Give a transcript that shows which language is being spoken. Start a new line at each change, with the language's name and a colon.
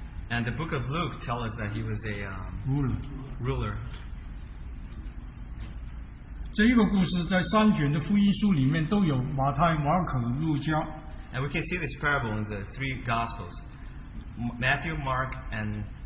English: And the book of Luke tells us that he was a ruler.
Chinese: 这一个故事在三卷的福音书里面都有马太、马可、路加。
English: And we can see this parable in the three Gospels, Matthew, Mark, and